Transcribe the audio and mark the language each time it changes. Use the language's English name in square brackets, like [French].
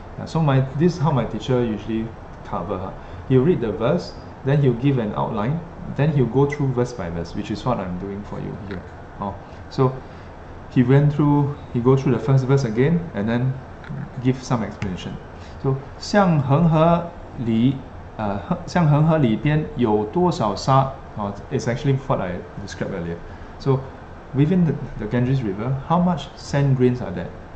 [English] So my, this is how my teacher usually cover. Huh? He'll read the verse, then he'll give an outline, then he'll go through verse by verse, which is what I'm doing for you here. Oh, so he went through, he go through the first verse again, and then give some explanation. [Chinese] So, 向恒河里, 向恒河里边有多少沙? [English] It's actually what I described earlier. So, within the Ganges River, how much sand grains are there?